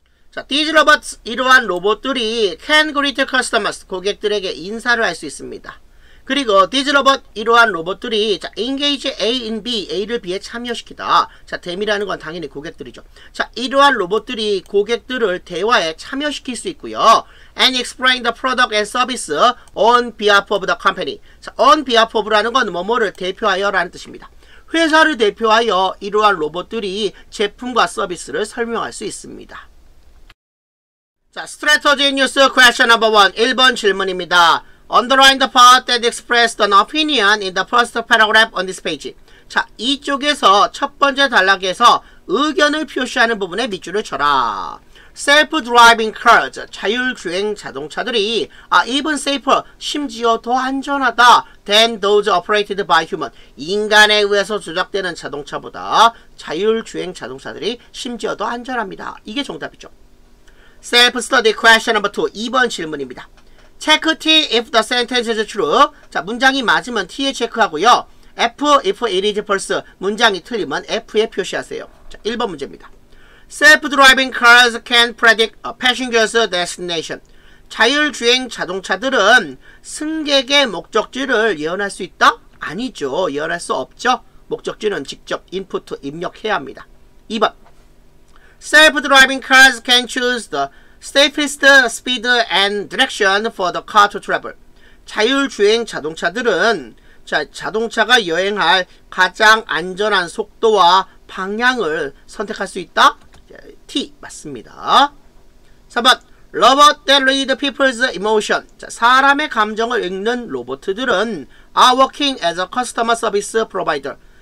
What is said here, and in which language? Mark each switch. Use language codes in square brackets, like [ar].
[ko] 자, [en] these robots, [ko] 이러한 로봇들이 [en] can greet customers, [ko] 고객들에게 인사를 할 수 있습니다. 그리고 [en] these robots, [ko] 이러한 로봇들이 자, [en] engage A in B, [ko] A를 B에 참여시키다. 자, them이라는 건 당연히 고객들이죠. 자, 이러한 로봇들이 고객들을 대화에 참여시킬 수 있고요. [en] And explain the product and service on behalf of the company. [ko] 자, on behalf of라는 건 뭐뭐를 대표하여라는 뜻입니다. 회사를 대표하여 이러한 로봇들이 제품과 서비스를 설명할 수 있습니다. [en] 자, strategy news question number one. [ko] 1번 질문입니다. [en] Underline the part that expressed an opinion in the first paragraph on this page. [ko] 자, 이쪽에서 첫 번째 단락에서 의견을 표시하는 부분에 밑줄을 쳐라. [en] Self-driving cars, [ko] 자율주행 자동차들이 [en] even safer, [ko] 심지어 더 안전하다 [en] than those operated by human, [ko] 인간에 의해서 조작되는 자동차보다 자율주행 자동차들이 심지어 더 안전합니다. 이게 정답이죠. [en] Self-study question number 2, [ko] 2번 질문입니다. [en] Check T if the sentence is true. [ko] 자, 문장이 맞으면 T에 체크하고요. [en] F if it is false. [ko] 문장이 틀리면 F에 표시하세요. 자, 1번 문제입니다. [en] Self-driving cars can predict a passenger's destination. [ko] 자율주행 자동차들은 승객의 목적지를 예언할 수 있다? 아니죠. 예언할 수 없죠. 목적지는 직접 input, 입력해야 합니다. 2번. [en] Self-driving cars can choose the safest speed and direction for the car to travel. [ko] 자율주행 자동차들은 자동차가 여행할 가장 안전한 속도와 방향을 선택할 수 있다? T 맞습니다. 3번 [en] Robot that read people's emotion. [ko] 자, 사람의 감정을 읽는 로봇들은 [en] are working as a customer service provider.